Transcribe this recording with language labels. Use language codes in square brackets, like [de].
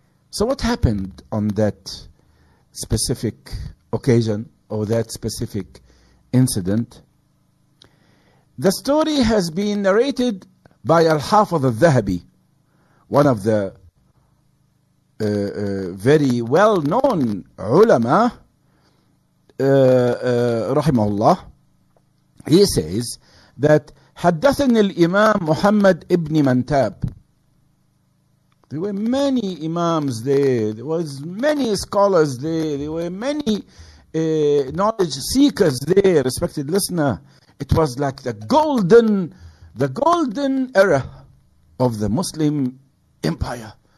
[en] So what happened on that specific occasion or that specific incident? The story has been narrated by Al-Hafidh al-Dhahabi, one of the very well-known ulama, rahimahullah. He says that [ar] حدثني الإمام محمد ابن منتاب. [en] There were many imams there. There was many scholars there. There were many knowledge seekers there, respected listener. It was like the golden era of the Muslim empire.